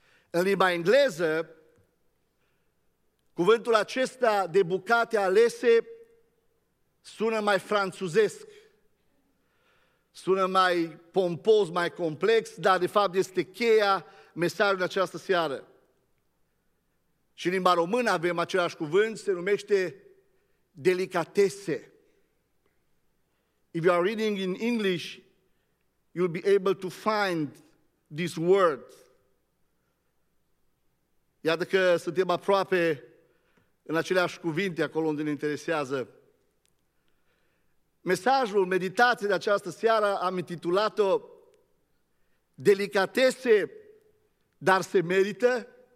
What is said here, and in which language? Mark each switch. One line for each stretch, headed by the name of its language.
Romanian: În limba engleză, cuvântul acesta de bucate alese sună mai franțuzesc, sună mai pompos, mai complex, dar de fapt este cheia mesajului de această seară. Și în limba română avem același cuvânt, se numește delicatese.
English: If you are reading in English, you'll be able to find this word.
Romanian: Iată că suntem aproape în aceleași cuvinte, acolo unde ne interesează. Mesajul, meditația de această seară am intitulat-o Delicatese, dar se merită?